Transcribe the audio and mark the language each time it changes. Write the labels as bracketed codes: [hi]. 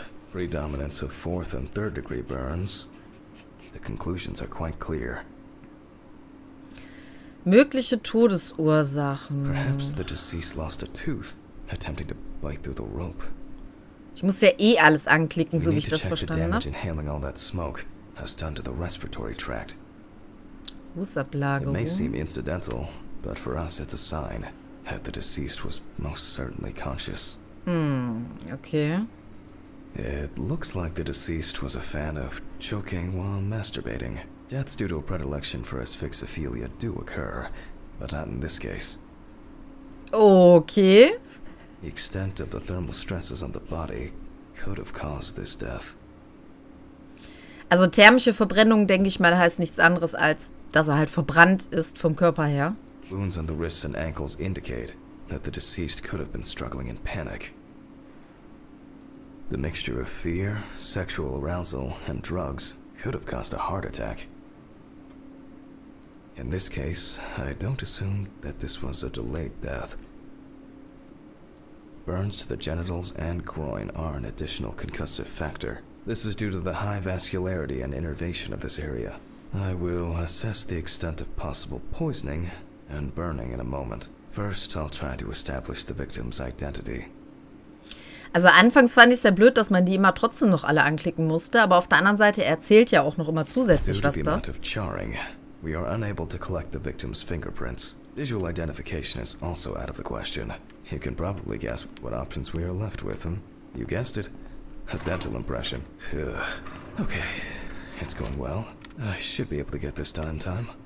[en] Predominance of fourth and third degree burns. The conclusions are quite clear. [de] Mögliche Todesursachen. [en] Perhaps the deceased lost a tooth, attempting to bite through the rope. [de] Ich muss ja eh alles anklicken, so wie ich das verstanden habe. [en] Inhaling all that smoke has done to the respiratory tract. It may seem incidental, but for us it's a sign that the deceased was most certainly conscious. Okay. It looks like the deceased was a fan of choking while masturbating. Deaths due to a predilection for asphyxophilia do occur, but not in this case. Okay. The extent of the thermal stresses on the body could have caused this death. [de] Also thermische Verbrennung, denke ich mal, heißt nichts anderes als, dass er halt verbrannt ist vom Körper her. [en] Wounds on the wrists and ankles indicate that the deceased could have been struggling in panic. The mixture of fear, sexual arousal and drugs could have caused a heart attack. In this case, I don't assume that this was a delayed death. Burns to the genitals and groin are an additional concussive factor. This is due to the high vascularity and innervation of this area. I will assess the extent of possible poisoning and burning in a moment. First, I'll try to establish the victim's identity. [de] Also anfangs fand ich es sehr blöd, dass man die immer trotzdem noch alle anklicken musste, aber auf der anderen Seite erzählt ja auch noch immer zusätzlich was da. [en] Of charring, we are unable to collect the victim's fingerprints. Visual identification is also out of the question. You can probably guess what options we are left with. You guessed it. A dental impression. Ugh. Okay, it's going well. I should be able to get this done in time.